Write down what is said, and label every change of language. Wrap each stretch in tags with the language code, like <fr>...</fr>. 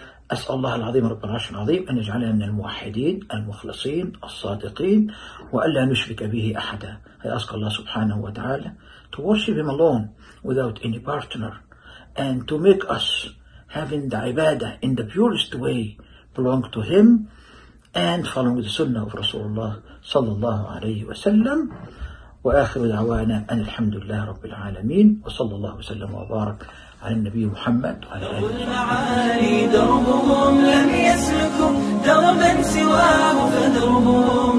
<ar>أسأل الله العظيم رب العرش العظيم أن يجعلنا من الموحدين المخلصين الصادقين وأن لا نشرك به أحدا.</ar> <en>I ask Allah subhanahu wa ta'ala to worship him alone without any partner and to make us having the ibadah in the purest way belong to him and following the sunnah of Rasulullah sallallahu alayhi wa sallam.</en> <ar>وآخر دعوانا أن الحمد لله رب العالمين وصلى الله وسلم وبارك على النبي محمد وعلى آله. المعالي دربهم لم يسلكوا دربا سواه فدربهم.</ar>